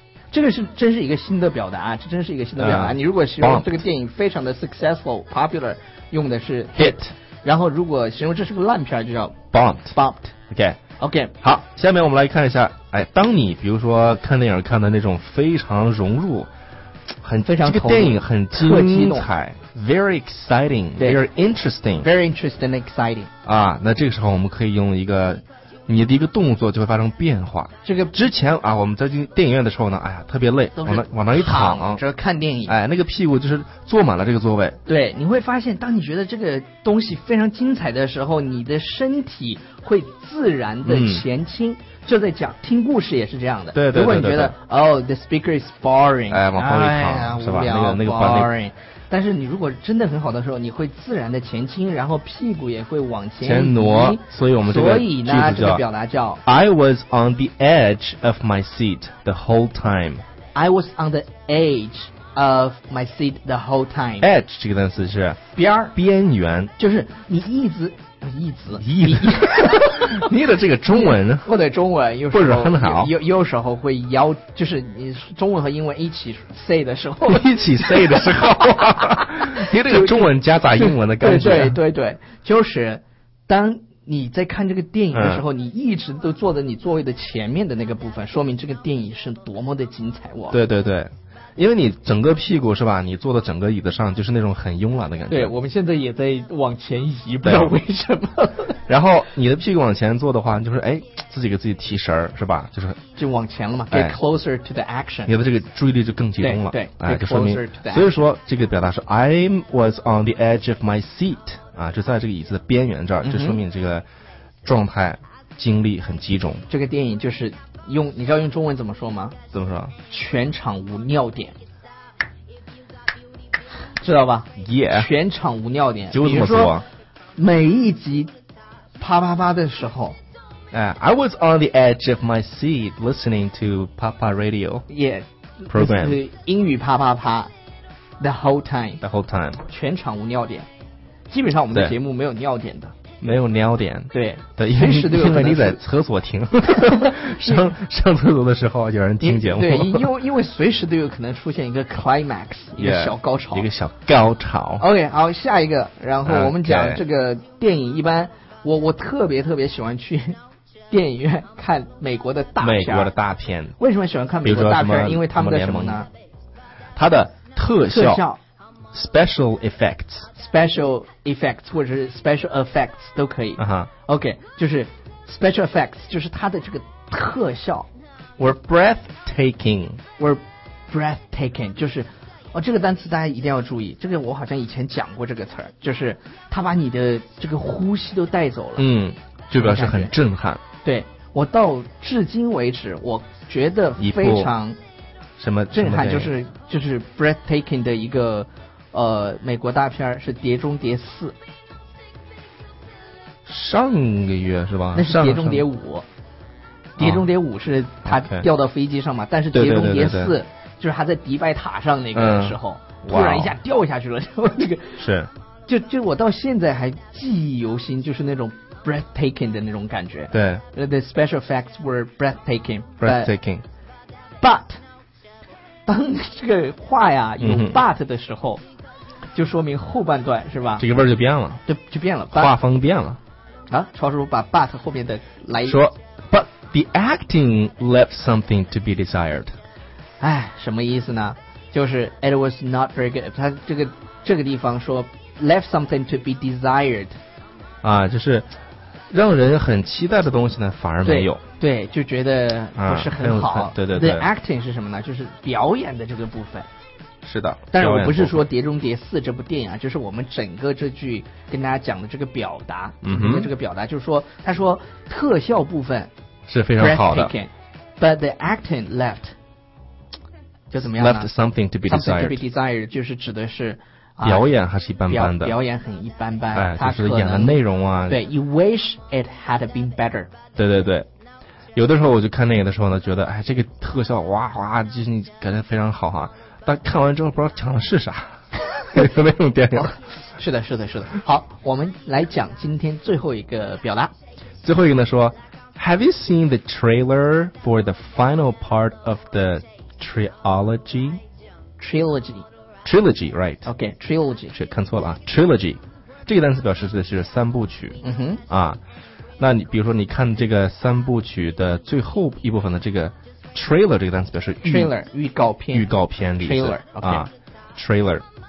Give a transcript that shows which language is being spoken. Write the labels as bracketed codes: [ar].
[zh] 这个是真是一个新的表达、啊，这真是一个新的表达。你如果形容这个电影非常的 [en] successful popular， [zh] 用的是 [en] hit， [zh] 然后如果形容这是个烂片，就叫 [en] bumped。 OK， [zh] 好，下面我们来看一下，哎，当你比如说看电影看的那种非常融入，很非常这个电影很精彩。 [en] Very exciting, very interesting. Very interesting, exciting. [zh] 啊，那这个时候我们可以用一个你的一个动作就会发生变化。这个之前啊，我们在进电影院的时候呢，哎呀，特别累，往那一躺，躺着看电影，哎，那个屁股就是坐满了这个座位。对，你会发现，当你觉得这个东西非常精彩的时候，你的身体会自然的前倾。嗯，就在讲听故事也是这样的。对对 对, 对, 对。如果你觉得 [en] the speaker is boring， [zh] 哎，往后一躺、哎、是吧？那个 [en] boring。 [zh] 但是你如果真的很好的时候，你会自然的前倾，然后屁股也会往前挪，所以我们这个表达叫 [en] I was on the edge of my seat the whole time. I was on the edge of my seat the whole time. [zh] Edge 这个单词是边边缘，就是你一直不一直一直，你的这个中文或者中文有时候不是很好，有时候会腰，就是你中文和英文一起 say 的时候，一起 say 的时候，你这个中文夹杂英文的感觉，对对 对, 对, 对，就是当你在看这个电影的时候，你一直都坐在你座位的前面的那个部分，说明这个电影是多么的精彩。我对对对，因为你整个屁股是吧，你坐在整个椅子上就是那种很慵懒的感觉。对，我们现在也在往前移，不知道为什么。然后你的屁股往前坐的话，就是哎，自己给自己提神儿，是吧？就是就往前了嘛 [en] ，get closer to the action。 [zh] 你的这个注意力就更集中了，对，哎，就说明。所以说这个表达是 [en] I was on the edge of my seat， [zh] 啊，就在这个椅子的边缘这儿，就说明这个状态精力很集中。这个电影就是用，你知道用中文怎么说吗？怎么说？全场无尿点。知道吧？ [en] 耶、yeah, ！ [zh] 全场无尿点，就这么说。每一集啪啪啪的时候， [en] I was on the edge of my seat listening to Papa Radio. Yeah, program [zh] 是英语啪啪啪 ， [en] the whole time. The whole time. [zh] 全场无尿点，基本上我们的节目没有尿点的。没有尿点，对，对，因为你在厕所听，上厕所的时候有人听节目，对，因为随时都有可能出现一个 climax， 一个小高潮， [en] yeah, [zh] 一个小高潮。 OK， 好，下一个，然后我们讲这个电影，一般我特别特别喜欢去电影院看美国的大片，美国的大片。为什么喜欢看美国大片？因为他们的什么呢？他的特效。 [en] Special effects， special effects [zh] 或者是 [en] special effects [zh] 都可以。 [en] Uh-huh. [zh] OK， 就是 [en] special effects， [zh] 就是它的这个特效。 [en] Were breathtaking。 Were breathtaking， [zh] 就是哦，这个单词大家一定要注意。这个我好像以前讲过这个词，就是它把你的这个呼吸都带走了。嗯，就表示很震撼。对，我到至今为止，我觉得非常。什么震撼？就是 breathtaking 的一个美国大片是《碟中谍四》，上个月是吧？那是 《 碟中谍五》，《碟中谍五》是他掉到飞机上嘛？啊、但是《碟中谍四》就是他在迪拜塔上那个时候，对对突然一下掉下去了，那个是，就我到现在还记忆犹新，就是那种 breathtaking 的那种感觉。对， [en] the special effects were breathtaking， breathtaking， but。 [zh] 当这个话呀有 but 的时候、嗯、就说明后半段是吧，这个味儿就变了，就变了，画风变了啊。超叔把 but 后面的来说， [en] but the acting left something to be desired。 [zh] 哎，什么意思呢？就是 [en] it was not very good， [zh] 他这个地方说 [en] left something to be desired， [zh] 啊，就是让人很期待的东西呢反而没有。对，就觉得不是很好、啊、对 the acting 是什么呢？就是表演的这个部分。是的，但是我不是说碟中谍四这部电影啊，就是我们整个这句跟大家讲的这个表达，嗯哼，这个表达就是说，他说特效部分是非常好的， [en] but the acting left [zh] 就怎么样呢？ [en] left something to be desired， something to be desired [zh] 就是指的是表演还是一般般的，表演很一般般，哎，就是演的内容啊。对 [en] ，You wish it had been better。 [zh] 对对对，有的时候我就看那个的时候呢，觉得哎，这个特效哇哇，就是感觉非常好哈。但看完之后不知道讲的是啥，有那种电影。是的，是的，是的。好，我们来讲今天最后一个表达。最后一个呢说 [en] ，Have you seen the trailer for the final part of the trilogy？ Trilogy。 Trilogy, right? OK, trilogy. [zh] 是看错了啊 ，trilogy， 这个单词表示的是三部曲。嗯哼。啊，那你比如说你看这个三部曲的最后一部分的这个 trailer， 这个单词表示预告片。预告片里。 [en] trailer、okay. 啊 ，trailer。